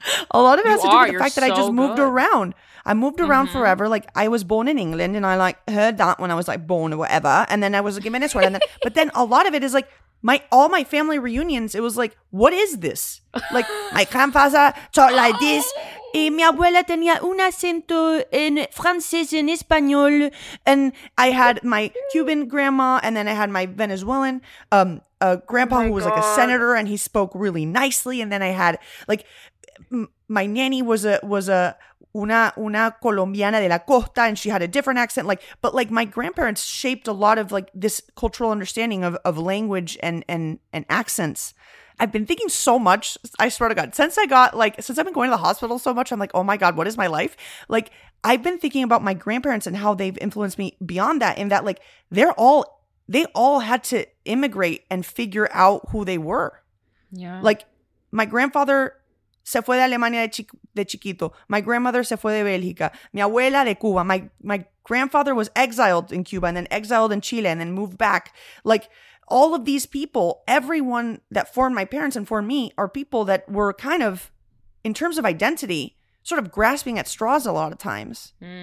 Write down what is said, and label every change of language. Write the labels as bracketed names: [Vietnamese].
[English] A lot of it has to do with the fact that I just moved around. I moved around forever. Like, I was born in England and I like heard that when I was like born or whatever. And then I was given this one. But then a lot of it is like, all my family reunions, it was like, what is this? Like, my grandfather talked like this. [Spanish] Y mi abuela tenía un acento en francés en español. [English] And I had my Cuban grandma, and then I had my Venezuelan grandpa who was like a senator, and he spoke really nicely. And then I had like my nanny was una colombiana de la costa, and she had a different accent. Like, but like my grandparents shaped a lot of like this cultural understanding of language and accents. I've been thinking so much, I swear to God, since I've been going to the hospital so much, I'm like, oh my God, what is my life? Like, I've been thinking about my grandparents and how they've influenced me beyond that, in that like they all had to immigrate and figure out who they were. Yeah. Like, my grandfather se fue de Alemania de chiquito. [Spanish] My grandmother se fue de Bélgica. Mi abuela de Cuba. [English] My grandfather was exiled in Cuba and then exiled in Chile and then moved back. Like, all of these people, everyone that formed my parents and formed me, are people that were kind of, in terms of identity, sort of grasping at straws a lot of times.